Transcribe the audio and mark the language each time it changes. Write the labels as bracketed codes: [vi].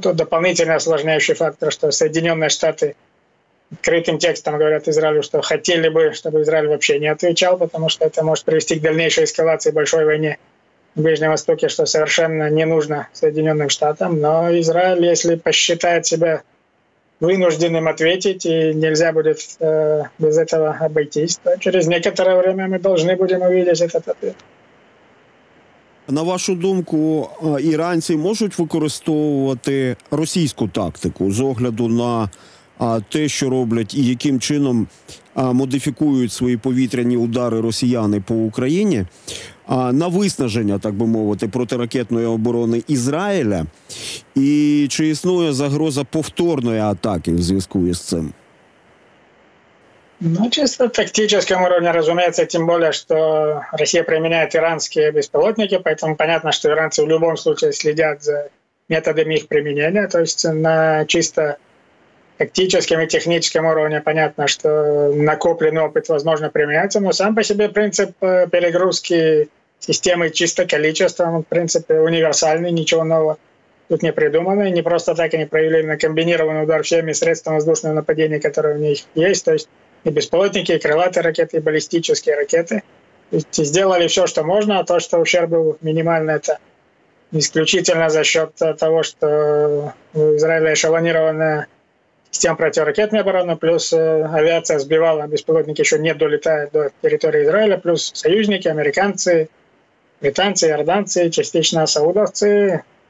[ru] Тут дополнительный осложняющий фактор, что Соединенные Штаты открытым текстом говорят Израилю, что хотели бы, чтобы Израиль вообще не отвечал, потому что это может привести к дальнейшей эскалации большой войны в Ближнем Востоке, что совершенно не нужно Соединенным Штатам. Но Израиль, если посчитает себя вынужденным ответить, и нельзя будет без этого обойтись, то через некоторое время мы должны будем увидеть этот ответ. [uk] На вашу думку, [ru] иранцы могут использовать российскую тактику [uk] с огляду на те, що роблять, і яким чином модифікують свої повітряні удари росіяни по Україні, на виснаження, так би мовити, протиракетної оборони Ізраїля? І чи існує загроза повторної атаки в зв'язку із цим? Ну, чисто тактичному рівні, розуміється, тим більше, що Росія приміняє іранські безпілотники, тому зрозуміло, що іранці в будь-якому випадку слідять за методами їх приміняння, тобто на чисто [ru] тактическом и техническом уровне понятно, что накопленный опыт, возможно, применяется, но сам по себе принцип перегрузки системы чисто количеством, в принципе, универсальный, ничего нового тут не придумано. И не просто так они провели на комбинированный удар всеми средствами воздушного нападения, которые у них есть, то есть и беспилотники, и крылатые ракеты, и баллистические ракеты. То есть сделали все, что можно, а то, что ущерб был минимальный, это исключительно за счет того, что у Израиля эшелонированная система противоракетной обороны, плюс авиация сбивала, беспилотники еще не долетают до территории Израиля, плюс союзники, американцы, британцы, иорданцы, частично саудовцы